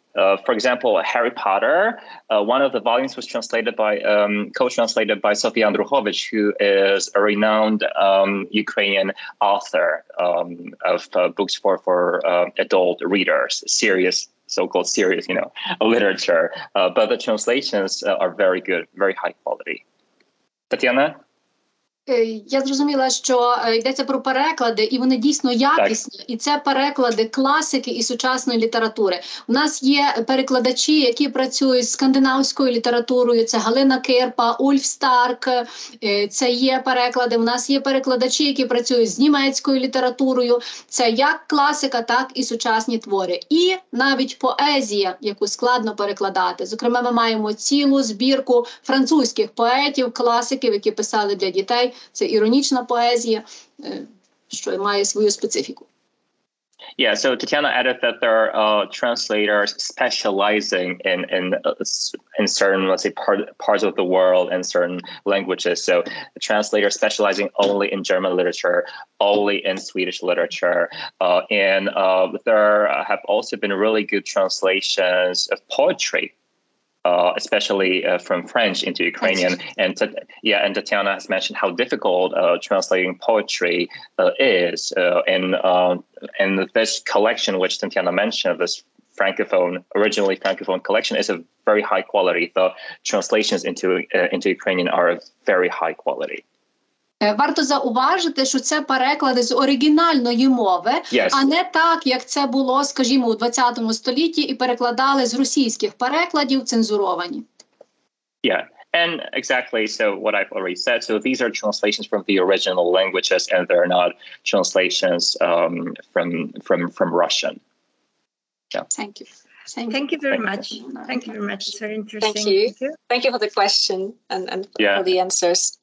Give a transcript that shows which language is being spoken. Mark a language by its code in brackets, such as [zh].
[en] For example, Harry Potter, one of the volumes was translated by, co-translated by Sofia Andruhovich, who is a renowned Ukrainian author of books for adult readers, serious, so-called serious, you know, literature. But the translations are very good, very high quality. Tetiana? [uk] Я зрозуміла, що йдеться про переклади, і вони дійсно якісні, так. І це переклади класики і сучасної літератури. У нас є перекладачі, які працюють з скандинавською літературою, це Галина Кирпа, Ульф Старк, це є переклади. У нас є перекладачі, які працюють з німецькою літературою, це як класика, так і сучасні твори. І навіть поезія, яку складно перекладати. Зокрема, ми маємо цілу збірку французьких поетів, класиків, які писали для дітей. Це іронічна поезія, що має свою специфіку. [en] Yeah, so Tetiana added that there are translators specializing in certain, let's say, parts of the world and certain languages. So a translator specializing only in German literature, only in Swedish literature. And there have also been really good translations of poetry. Especially from French into Ukrainian. And and Tetiana has mentioned how difficult translating poetry is. And this collection, which Tetiana mentioned, this originally Francophone collection, is a very high quality. The translations into Ukrainian are of very high quality. [uk] Варто зауважити, що це переклади з оригінальної мови, [en] yes. [uk] А не так, як це було, скажімо, у 20 столітті і перекладали з російських перекладів цензуровані. [en] Yeah, and exactly so what I've already said. So these are translations from the original languages and they're not translations from Russian. Yeah. Thank you very much. It's very interesting. Thank you for the question and yeah. For the answers.